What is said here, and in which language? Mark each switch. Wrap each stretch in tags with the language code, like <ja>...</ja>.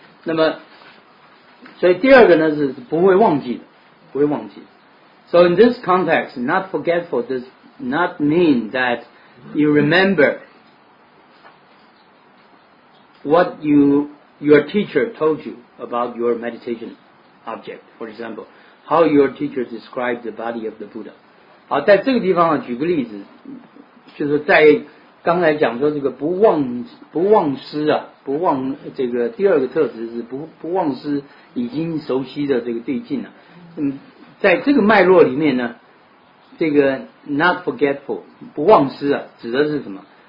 <zh>那么，所以第二个呢是不会忘记的，不会忘记的。</zh> <en>So in this context, not forgetful does not mean that you remember what your teacher told you about your meditation object. For example, how your teacher described the body of the Buddha.</en> <zh>好，在这个地方呢，举个例子，就是在刚才讲说这个不忘失啊，不忘这个第二个特质是不忘失已经熟悉的这个对境了。在这个脉络里面呢，这个</zh> <en>not forgetful</en> <zh>不忘失啊，指的是什么？</zh>